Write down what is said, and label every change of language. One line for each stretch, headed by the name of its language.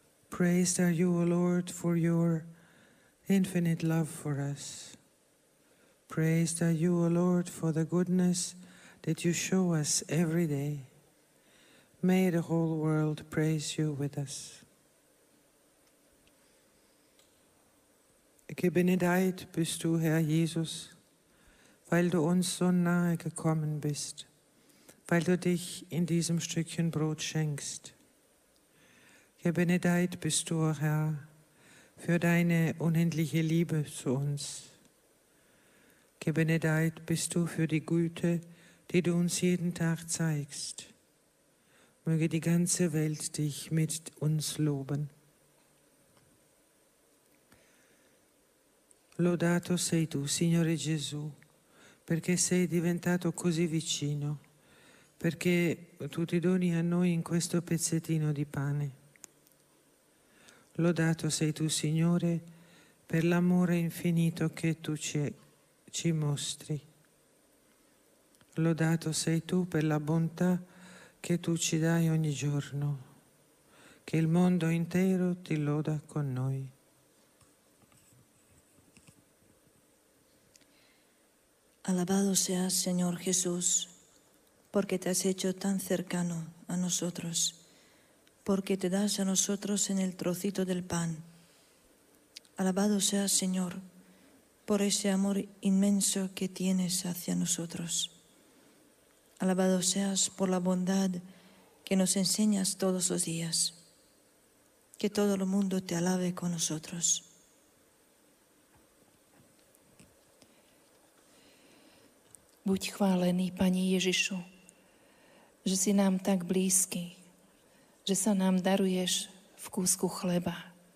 English: Praised are you, O Lord, for your infinite love for us. Praised are you, O Lord, for the goodness that you show us every day. May the whole world praise you with us.
German: Gebenedeit bist du, Herr Jesus, weil du uns so nahe gekommen bist, weil du dich in diesem Stückchen Brot schenkst. Gebenedeit bist du, Herr, für deine unendliche Liebe zu uns. Gebenedeit bist du für die Güte, die du uns jeden Tag zeigst. Möge die ganze Welt dich mit uns loben.
Italian: Lodato sei tu, Signore Gesù, perché sei diventato così vicino, perché tu ti doni a noi in questo pezzettino di pane. Lodato sei tu, Signore, per l'amore infinito che tu ci mostri. Lodato sei tu per la bontà che tu ci dai ogni giorno, che il mondo intero ti loda con noi.
Spanish: Alabado seas, Señor Jesús, porque te has hecho tan cercano a nosotros, porque te das a nosotros en el trocito del pan. Alabado seas, Señor, por ese amor inmenso que tienes hacia nosotros. Alabado seas por la bondad que nos enseñas todos los días. Que todo el mundo te alabe con nosotros.
Slovak: Buď chválený, Pani Ježišu, že si nám tak blízky, že sa nám daruješ v kúsku chleba.